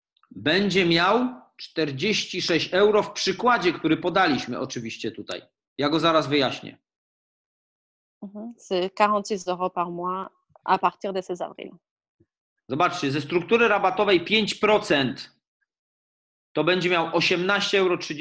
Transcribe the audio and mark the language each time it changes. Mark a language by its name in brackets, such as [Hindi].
[Polish] Będzie miał 46 euro w przykładzie, który podaliśmy oczywiście tutaj. Ja go zaraz wyjaśnię. [French] C'est 46 euros par mois à partir de 16 avril. [Polish] Zobaczcie, ze struktury rabatowej 5% to będzie miał 18,33 euro.